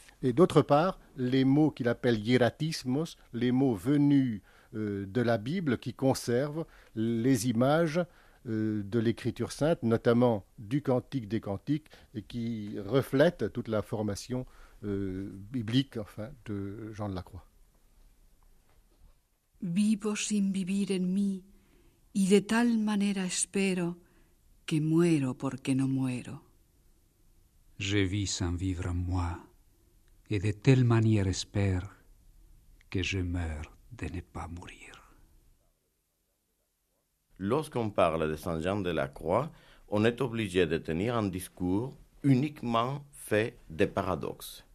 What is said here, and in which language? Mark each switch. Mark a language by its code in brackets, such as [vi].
[fr] Et d'autre part, les mots qu'il appelle hieratismos, les mots venus de la Bible qui conserve les images de l'Écriture sainte, notamment du Cantique des Cantiques, et qui reflète toute la formation biblique de Jean de la Croix. [es] Vivo sin vivir en mí y de tal manera espero que muero porque no muero. [fr] Je vis sans vivre en moi et de telle manière espère que je meurs de ne pas mourir. lorsqu'on parle de Saint Jean de la Croix, on est obligé de tenir un discours uniquement fait de paradoxes.